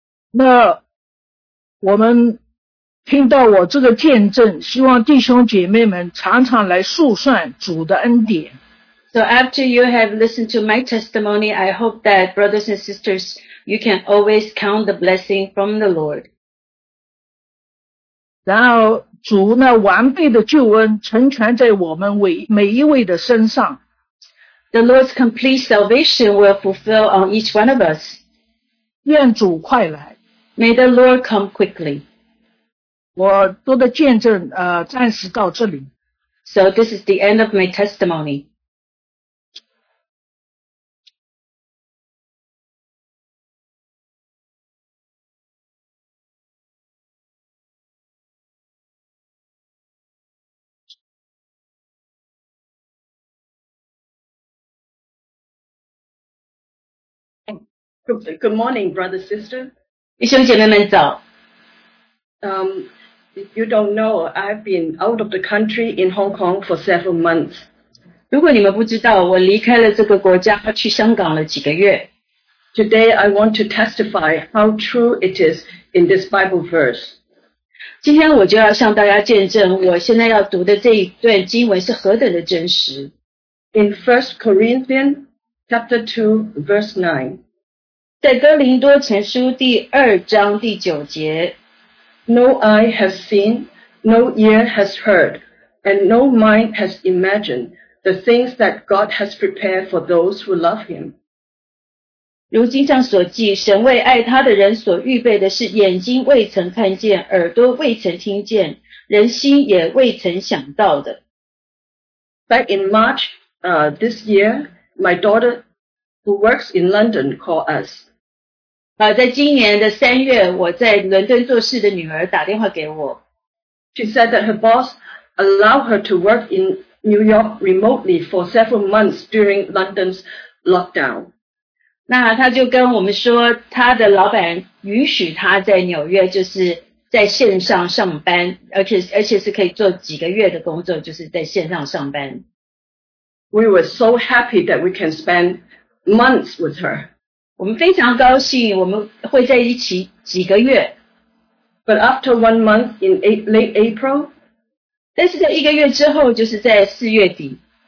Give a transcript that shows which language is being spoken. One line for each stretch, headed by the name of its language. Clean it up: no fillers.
Chinese: 那我们听到我这个见证，希望弟兄姐妹们常常来述算主的恩典。
English: So after you have listened to my testimony, I hope that brothers and sisters, you can always count the blessing from the Lord.
Chinese: 然而主那完备的救恩成全在我们每一位的身上。
English: The Lord's complete salvation will fulfill on each one of us.
Chinese: 愿主快来。
English: May the Lord come quickly.
Chinese: 我多的见证暂时到这里。
English: So this is the end of my testimony. Good morning, brother, sister.
Chinese: 弟兄姐妹们早。
English: If you don't know, I've been out of the country in Hong Kong for several months.
Chinese: 如果你们不知道，我离开了这个国家，去香港了几个月。
English: Today, I want to testify how true it is in this Bible verse.
Chinese: 今天我就要向大家见证，我现在要读的这一段经文是何等的真实。
English: In 1 Corinthians chapter 2, verse 9.
Chinese: 在哥林多前书第二章第九节
English: No eye has seen, no ear has heard, and no mind has imagined the things that God has prepared for those who love him.
Chinese: 如经上所记，神为爱他的人所预备的是眼睛未曾看见，耳朵未曾听见，人心也未曾想到的。
English: Back in March, this year, my daughter who works in London called us.
Chinese: 在今年的三月，我在伦敦做事的女儿打电话给我。
English: She said that her boss allowed her to work in New York remotely for several months during London's lockdown.
Chinese: 那她就跟我们说，她的老板允许她在纽约就是在线上上班，而且是可以做几个月的工作，就是在线上上班。
English: We were so happy that we can spend months with her.
Chinese: 我们非常高兴我们会在一起几个月。
English: But after 1 month in late April,
Chinese: 但是在一个月之后就是在四月底。